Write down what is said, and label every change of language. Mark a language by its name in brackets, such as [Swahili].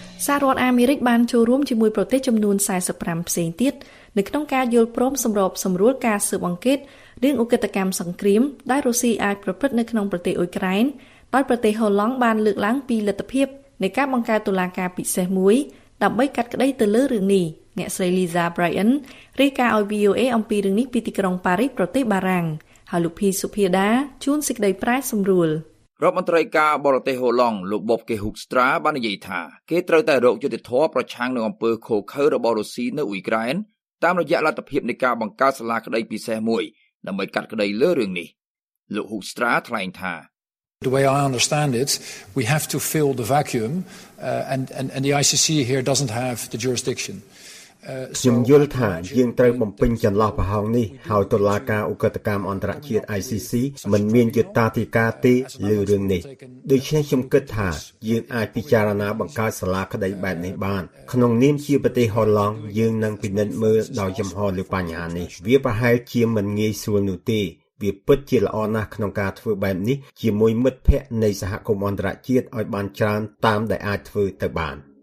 [Khmer] សហរដ្ឋអាមេរិកបានចូលរួមជាមួយប្រទេសចំនួន45ផ្សេងទៀតនៅក្នុងការយល់ព្រមសម្របសម្រួលការស៊ើបអង្កេតរឿងឧក្រិដ្ឋកម្មសង្គ្រាមដែលរុស្ស៊ីអាចប្រព្រឹត្តនៅក្នុងប្រទេសអ៊ុយក្រែនដោយប្រទេសហូឡង់បានលើកឡើងពីលទ្ធភាពនៃការបង្កើតតុលាការពិសេសមួយដើម្បីកាត់ក្តីទៅលើរឿងនេះអ្នកស្រីលីសាប្រៃអិនរាយការណ៍ឲ្យ VOA អំពីរឿងនេះពីទីក្រុងប៉ារីសប្រទេសបារាំងហើយលោកភីសុភាដាជួនសេចក្តីប្រែសម្រួល រដ្ឋមន្ត្រីការបរទេសហូឡង់លោកបបគេហុកស្ត្រាបាននិយាយថាគេត្រូវតែរកយុត្តិធម៌ប្រឆាំងនឹងអំពើឃោឃៅរបស់រុស្ស៊ីនៅអ៊ុយក្រែនតាមរយៈលទ្ធភាពនៃការបង្កើតសាលាក្តីពិសេសមួយដើម្បីកាត់ក្តីលើរឿងនេះលោកហុកស្ត្រាថ្លែងថា [English] The way I understand it, we have to fill the vacuum, and the ICC here doesn't have the jurisdiction. [Khmer] ខ្ញុំយល់ថាយើងត្រូវបំពេញចន្លោះប្រហោងនេះហើយតុលាការឧក្រិដ្ឋកម្មអន្តរជាតិ ICC មិនមានយន្តការទីការទេលើរឿងនេះដូច្នេះខ្ញុំគិតថាយើងអាចពិចារណាបង្កើតសាលាក្តីបែបនេះបានក្នុងនាមជាប្រទេសហូឡង់យើងនឹងពិនិត្យមើលដោយចំហលើបញ្ហានេះវាប្រហែលជាមិនងាយស្រួលនោះទេវាពិតជាល្អណាស់ក្នុងការធ្វើបែបនេះជាមួយមិត្តភ័ក្តិនៃសហគមន៍អន្តរជាតិឲ្យបានច្រើនតាមដែលអាចធ្វើទៅបាន